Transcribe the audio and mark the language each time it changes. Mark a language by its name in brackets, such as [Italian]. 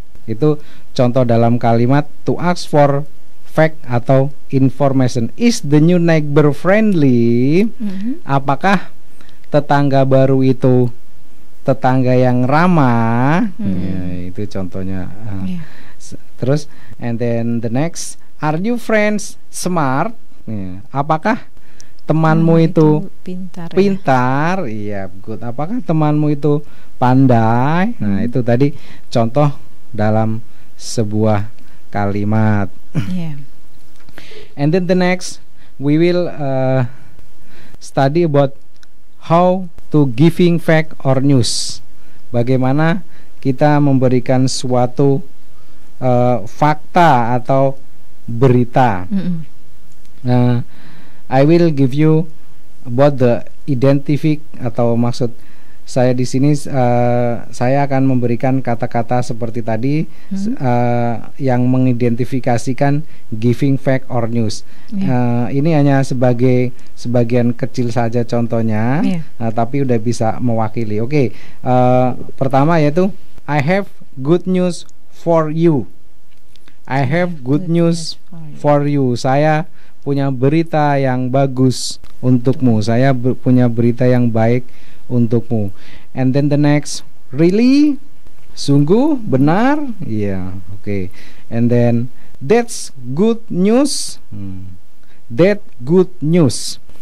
[Indonesian] Itu contoh dalam kalimat [English] to ask for fact [Indonesian] atau information. [English] Is the new neighbor friendly? [Indonesian] Apakah tetangga baru itu tetangga yang ramah? Itu contohnya. Terus, [English] and then the next, are you friends smart? [Indonesian] Apakah temanmu itu pintar? Iya, good. Apakah temanmu itu pandai? Nah, itu tadi contoh dalam sebuah kalimat. [English] And then the next, we will study about how to giving fact or news. [Indonesian] Bagaimana kita memberikan suatu fakta atau berita. [English] I will give you about the identific, [Indonesian] atau maksud saya di sini, saya akan memberikan kata-kata seperti tadi yang mengidentifikasikan [English] giving fact or news. [Indonesian] Ini hanya sebagai sebagian kecil saja contohnya, tapi udah bisa mewakili. Oke, pertama yaitu [English] I have good news for you. I have good news for you. [Indonesian] Saya punya berita yang bagus untukmu. Saya punya berita yang baik untukmu. [English] And then the next, really? [Indonesian] Sungguh? Benar? [English] Yeah. Okay. And then that's good news. That good news.